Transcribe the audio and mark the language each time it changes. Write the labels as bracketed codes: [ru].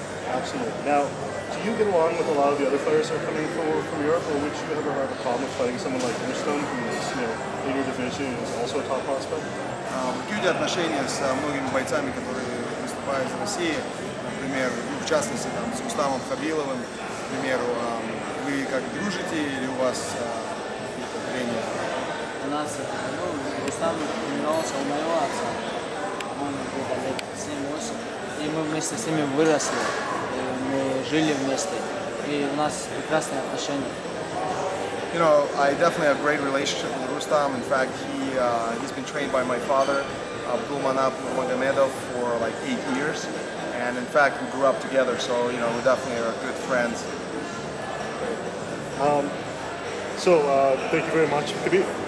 [en] Absolutely. Now, do you get along with a lot of the other fighters that are coming from Europe, or would you ever have a problem with fighting someone like Interstone, who is, you know, in your division and is also a top prospect? [ru] Какие отношения с многими бойцами, которые выступают в России, например, в частности там с Уставом Хабиловым, к примеру, вы как дружите или у вас какие-то трения? У нас, ну, Устав тренировался у моего отца, он где-то лет 7-8, и мы вместе с ними выросли, мы жили вместе, и у нас прекрасные отношения. [en] You know, I definitely have a great relationship with Rustam. In fact, he's been trained by my father, Abdulmanap Nurmagomedov, for like 8 years. And in fact, we grew up together, so, you know, we definitely are good friends. Thank you very much, Khabib.